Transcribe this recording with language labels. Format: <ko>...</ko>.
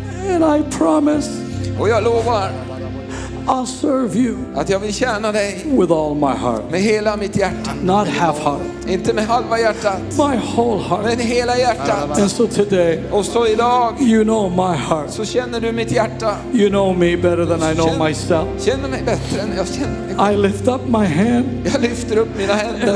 <en>And I promise.</en> <sv>Och jag lovar.</sv> <en>I'll serve you.</en> <sv>Att jag vill tjäna dig.</sv> <en>With all my heart.</en> <sv>Med hela mitt hjärta.</sv> <en>Not half heart.</en> <sv>Inte med halva hjärtat.</sv> <en>My whole heart.</en> <sv>Med hela hjärtat.</sv> <en>And so today.</en> <sv>Och så idag.</sv> <en>You know my heart.</en> <sv>Så känner du mitt hjärta.</sv> <en>You know me better than I know myself.</en> <sv>Känner mig bättre än jag känner mig.</sv> <en>I lift up my hand.</en> <sv>Jag lyfter upp mina händer.</sv>